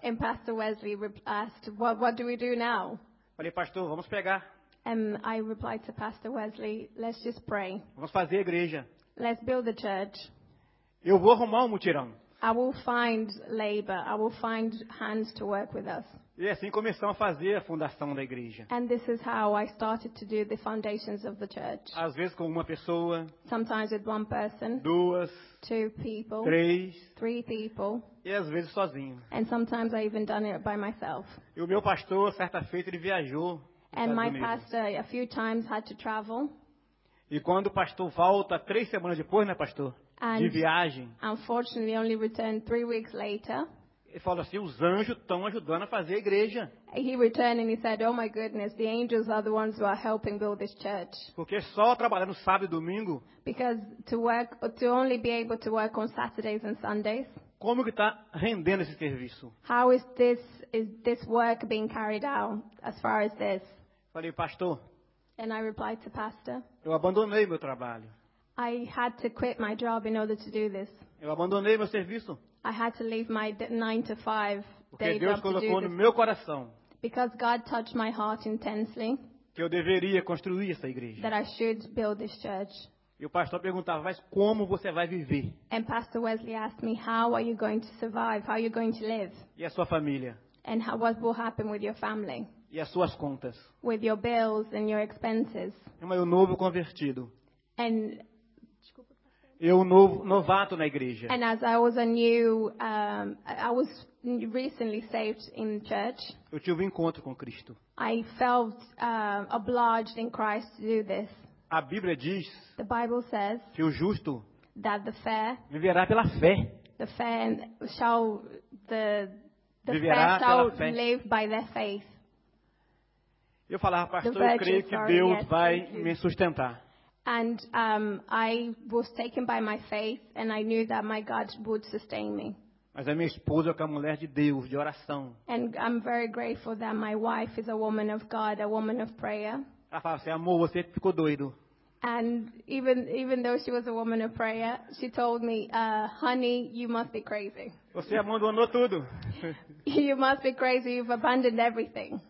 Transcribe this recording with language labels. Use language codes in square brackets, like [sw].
[en] And Pastor Wesley asked, what do we do now? [pt] Falei, pastor, vamos pegar. [en] And I replied to Pastor Wesley, let's just pray. [pt] Vamos fazer a igreja. [en] Let's build the church. [pt] Eu vou arrumar um mutirão. [en] I will find labor. I will find hands to work with us. [pt] E assim começamos a fazer a fundação da igreja. [en] And this is how I started to do the foundations of the church. [pt] Às vezes com uma pessoa. [en] Sometimes with one person. [pt] Duas. [en] Two people. [pt] Três. [en] Three people. [pt] E às vezes sozinho. [en] And sometimes I even done it by myself. [pt] E o meu pastor, certa feita, ele viajou. [en] And my pastor, a few times, had to travel. [pt] E quando o pastor volta, três semanas depois, né, pastor? [en] And [pt] de viagem. [en] Unfortunately, only returned 3 weeks later. [pt] Ele falou assim, os anjos estão ajudando a fazer a igreja. [en] He returned and he said, oh my goodness, the angels are the ones who are helping build this church. [pt] Porque só trabalhar no sábado e domingo. [en] Because to only be able to work on Saturdays and Sundays. [pt] Como que está rendendo esse serviço? [en] How is this work being carried out as far as this? [pt] Falei, pastor. [en] And I replied to pastor. [pt] Eu abandonei meu trabalho. [en] I had to quit my job in order to do this. [pt] Eu abandonei meu serviço. [en] I had to leave my 9-to-5 day [pt] job. Porque Deus colocou no meu coração. [en] Because God touched my heart intensely. [pt] Que eu deveria construir essa igreja. [en] That I should build this church. [pt] E o pastor perguntava, mas como você vai viver? [en] And Pastor Wesley asked me, how are you going to survive? How are you going to live? [pt] E a sua família? [en] And what will happen with your family? [pt] E as suas contas? [en] With your bills and your expenses. [pt] Eu novo convertido. [en] And [pt] eu novato na igreja. [en] And as I was a new, I was recently saved in church. [pt] Eu tive um encontro com Cristo. [en] I felt obliged in Christ to do this. [pt] A Bíblia diz. [en] The Bible says. [pt] Que o justo. [en] That the fair. [pt] Viverá pela fé. [en] The fair shall the fair shall live by their faith. [pt] Eu falava, pastor, virgin, eu creio que Deus vai me sustentar. [en] And I was taken by my faith, and I knew that my God would sustain me. [pt] Mas a minha esposa é uma mulher de Deus, de oração. [en] And I'm very grateful that my wife is a woman of God, a woman of prayer. [pt] Ela fala assim, amor, você ficou doido. [en] And even though she was a woman of prayer, she told me, honey, you must be crazy. [pt] Você abandonou tudo. [en] You must be crazy, you've abandoned everything.